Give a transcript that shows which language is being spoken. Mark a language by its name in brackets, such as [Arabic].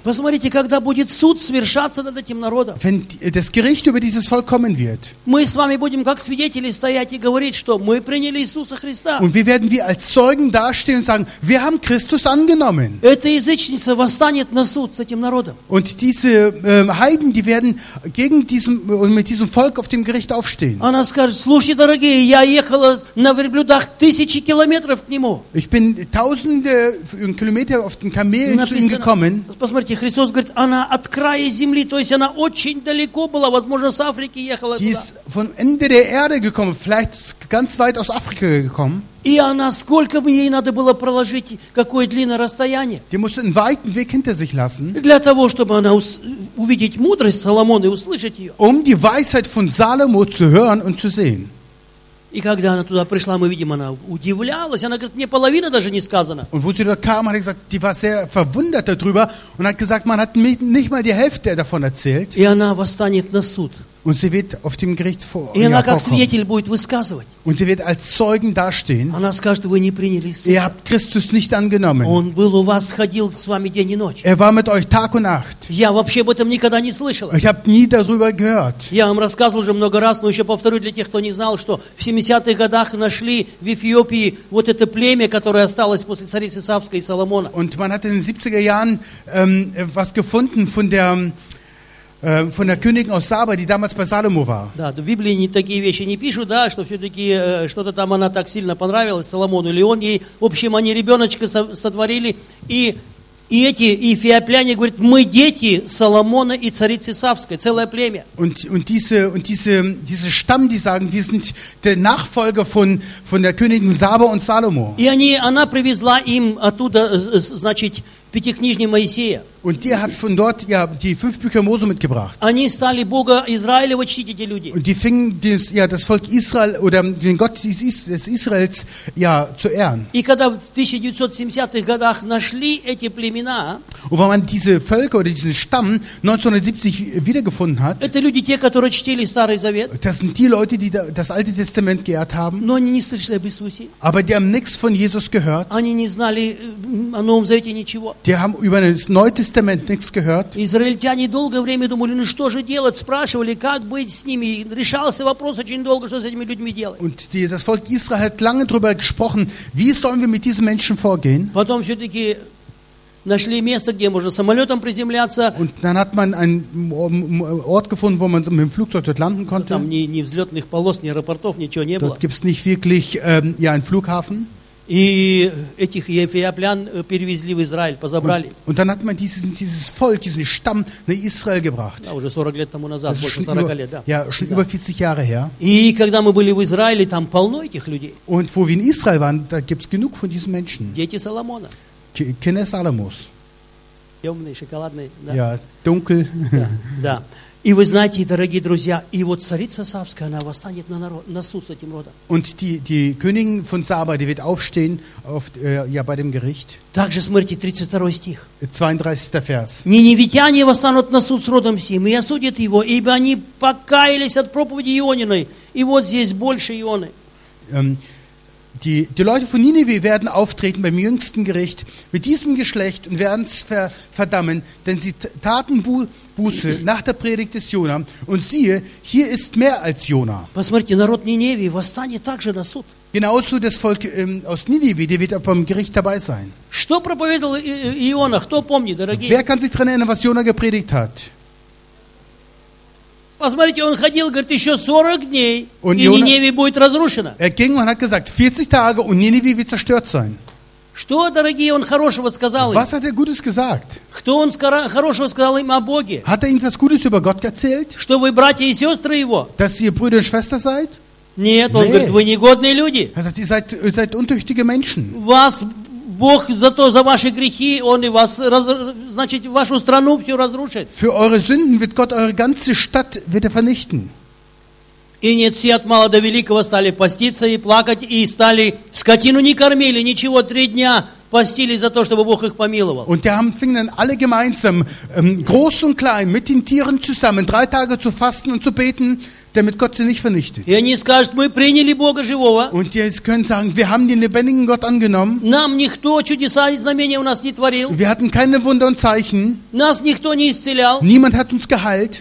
[German] Wenn das Gericht über dieses Volk kommen wird, und wir werden wie als Zeugen dastehen und sagen, wir haben Christus angenommen. Und diese Heiden, die werden gegen diesem und mit diesem Volk auf dem Gericht aufstehen. [Russian] Слушайте, дорогие, я ехала на верблюдах тысячи километров к нему. [German] Ich bin tausende Kilometer auf den Kamelen zu ihm gekommen. [Russian] Посмотрите, Христос говорит, она от края земли, то есть она очень далеко была, возможно, с Африки ехала. [German] Die ist vom Ende der Erde gekommen, vielleicht ganz weit aus Afrika gekommen. [Russian] И она, сколько бы ей надо было проложить, какое длинное расстояние. [German] Die musste einen weiten Weg hinter sich lassen. [Russian] Для того, чтобы она увидеть мудрость Соломона и услышать ее. [German] Um die Weisheit von Salomo zu hören und zu sehen. [Russian] И когда она туда пришла, мы видим, она удивлялась. Она говорит, мне половина даже не сказано. [German] Und wo sie da kam, hat gesagt, die war sehr verwundert darüber und hat gesagt, man hat mir nicht mal die Hälfte davon erzählt. [Russian] И она восстанет на суд. [German] Und sie wird auf dem Gericht vor vorkommen. Und sie wird als Zeugen dastehen. [Russian] Скажет, [German] ihr habt Christus nicht angenommen. Er war mit euch Tag und Nacht. Ich habe nie darüber gehört. [Russian] Раз, тех, знал, в 70-х годах нашли в Эфиопии вот это племя, которое осталось после царицы Савской и Соломона. [German] Und man hat in den 70er Jahren was gefunden von der von der Königin aus Saba, die damals bei Salomo war. [Russian] Да, в Библии не такие вещи не пишут, да, что все-таки что-то там она так сильно понравилась Соломону или он ей, в общем, они ребеночка сотворили и эти эфиопляне говорят, мы дети Соломона и царицы Савской, целое племя. [German] Und diese Stamm, die sagen, wir sind der Nachfolger von der Königin Saba und Salomo. [Russian] И они, она привезла им оттуда, значит, Пятикнижник Моисея. [German] Und die hat von dort ja die fünf Bücher Mose mitgebracht. [Russian] Они стали Бога Израиля почтить эти люди. [German] Und die fingen des, ja, das Volk Israel oder den Gott des Israels ja zu ehren. [Russian] И когда в 1970-х годах нашли эти племена, [German] und wenn man diese Völker oder diesen Stamm 1970 wiedergefunden hat, [Russian] это люди те, которые чтили Старый Завет. [German] Das sind die Leute, die das Alte Testament geehrt haben. [Russian] Но они не слышали об Иисусе. [German] Aber die haben nichts von Jesus gehört. [Russian] Они не знали о Новом Завете ничего. [German] Die haben über das Neue Testament nichts gehört. [Russian] Израильтяне долгое время думали, ну что же делать, спрашивали, как быть с ними. Решался вопрос очень долго, что с этими людьми делать. [German] Und das Volk Israel hat lange darüber gesprochen, wie sollen wir mit diesen Menschen vorgehen. [Russian] Потом все-таки нашли место, где можно самолетом приземляться. [German] Und dann hat man einen Ort gefunden, wo man mit dem Flugzeug dort landen konnte. [Russian] Там ни взлетных полос, ни аэропортов, ничего не было. [German] Dort gibt's nicht wirklich einen Flughafen. [Russian] И этих эфиоплян перевезли в Израиль, позабрали. [German] Und dann hat man dieses Volk, diesen Stamm nach Israel gebracht. [Russian] Да, уже 40 лет тому назад, das больше 40 [German] über, [Russian] лет, да. [German] Ja, schon [Russian] да. [German] über 40 Jahre her. [Russian] И когда мы были в Израиле, там полно этих людей. [German] Und wo wir in Israel waren, da gibt's genug von diesen Menschen. [Russian] Дети Соломона. [German] Kinder Salomos. [Russian] Темный, шоколадный, да. [German] Ja, dunkel. [Russian] Да, да. И вы знаете, дорогие друзья, и вот царица Савская, она восстанет на суд с этим родом. [German] Und die Königin von Saba, die wird aufstehen auf, ja, bei dem Gericht. [Russian] Также смотрите, 32 стих. [German] 32 Vers. [Russian] Ниневитяне восстанут на суд с родом сим, и осудят его, ибо они покаялись от проповеди Иониной. И вот здесь больше Ионы. [German] Die Leute von Ninive werden auftreten beim jüngsten Gericht mit diesem Geschlecht und werden es verdammen, denn sie taten Buße nach der Predigt des Jona. Und siehe, hier ist mehr als Jona. Genauso das Volk aus Ninive, die wird auch beim Gericht dabei sein. Wer kann sich daran erinnern, was Jona gepredigt hat? [Russian] Посмотрите, он ходил, говорит, еще 40 дней, und и Jonah, Ниневия будет разрушена. [German] Er ging und hat gesagt, 40 Tage und Ниневия wird zerstört sein. [Russian] Что, дорогие, он хорошего сказал им? [German] Was hat er Gutes gesagt? [Russian] Кто он хорошего сказал им о Боге? [German] Hat er ihnen was Gutes über Gott erzählt? [Russian] Что вы братья и сестры его? [German] Dass ihr Brüder und Schwestern seid? [Russian] Нет, он говорит, вы негодные люди. [German] Er sagt, ihr seid untüchtige Menschen. [Russian] Was Бог за то, за ваши грехи, он и вас, значит, вашу страну всю разрушит. [German] Für eure Sünden wird Gott eure ganze Stadt wird er vernichten. [Russian] И нет, все от мала до великого стали поститься и плакать, и стали скотину не кормили, ничего, три дня постились за то, чтобы Бог их помиловал. [German] Und da fingen dann alle gemeinsam, groß und klein, mit den Tieren zusammen, drei Tage zu fasten und zu beten, damit Gott sie nicht vernichtet. [Russian] И они скажут, мы приняли Бога живого. [German] Und jetzt können sagen, wir haben den lebendigen Gott angenommen. [Russian] Нам никто чудеса и знамения у нас не творил. [German] Wir hatten keine Wunder und Zeichen. [Russian] Нас никто не исцелял. [German] Niemand hat uns geheilt.